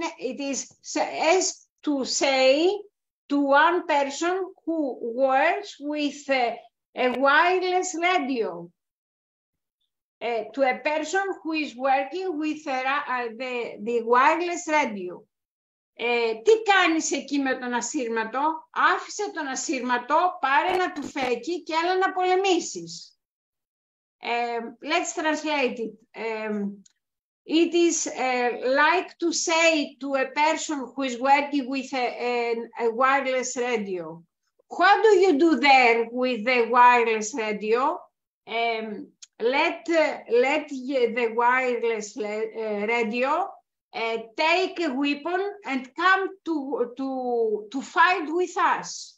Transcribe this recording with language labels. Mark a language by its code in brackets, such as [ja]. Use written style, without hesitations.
[en] It is as to say to one person who works with a wireless radio. To a person who is working with the wireless radio. [el] Τι κάνεις εκεί με τον ασύρματο? Άφησε τον ασύρματο, πάρε ένα τουφέκι και έλα να πολεμήσεις. [en] Let's translate it. It is like to say to a person who is working with a wireless radio. What do you do there with the wireless radio? Let the wireless radio take a weapon and come to fight with us.